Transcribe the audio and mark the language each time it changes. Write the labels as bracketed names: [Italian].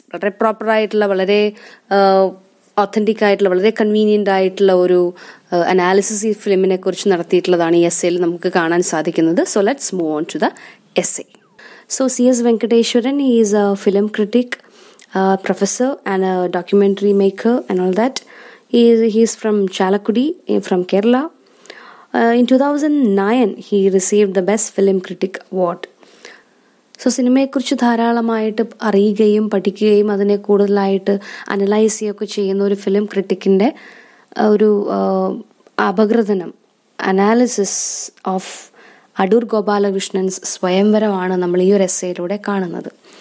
[Malayalam] വളരെ പ്രോപ്പറായിട്ടുള്ള, വളരെ ഒത്തൻറ്റിക് ആയിട്ടുള്ള, വളരെ കൺവീനിയൻ്റ് ആയിട്ടുള്ള ഒരു അനാലിസിസ് ഈ ഫിലിമിനെ കുറിച്ച് നടത്തിയിട്ടുള്ളതാണ് ഈ എസ്സേയിൽ നമുക്ക് കാണാൻ സാധിക്കുന്നത്. [English] So let's move on to the essay. So C S Venkateswaran is a film critic, professor and a documentary maker and all that. He's from Chalakudy, from Kerala. In 2009, he received the Best Film Critic Award. [Malayalam] So, സിനിമയെക്കുറിച്ച് ധാരാളമായിട്ട് അറിയുകയും പഠിക്കുകയും അതിനെ കൂടുതലായിട്ട് analyse ചെയ്യുകയൊക്കെ ചെയ്യുന്ന ഒരു film ക്രിട്ടിക്കിൻ്റെ ഒരു അപഗ്രഥനം, അനാലിസിസ് ഓഫ് അടൂർ ഗോപാലകൃഷ്ണൻസ് സ്വയംവരമാണ് നമ്മൾ ഈ ഒരു എസ്സേയിലൂടെ കാണുന്നത്.